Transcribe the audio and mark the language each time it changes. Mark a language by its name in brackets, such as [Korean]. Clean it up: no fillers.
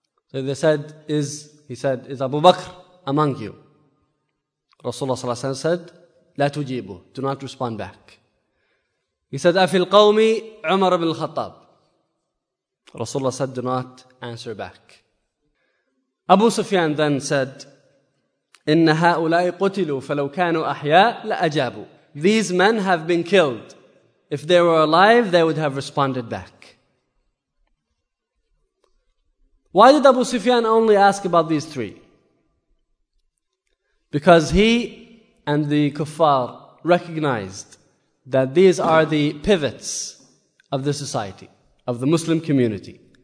[English] So they said, "Is Abu Bakr among you?" Rasulullah sallallahu alaihi wasallam said, [Arabic] "La tujibu," [English] do not respond back. He said, [Arabic] "Afil qawmi Umar ibn al-Khattab." [English] Rasulullah said, "Do not answer back." [Arabic] Abu Sufyan then said, "إن هؤلاء قتلوا فلو كانوا أحياء لأجابوا." [English] These men have been killed. If they were alive, they would have responded back. Why did Abu Sufyan only ask about these three? Because he and the kuffar recognized that these are the pivots of the society, of the Muslim community.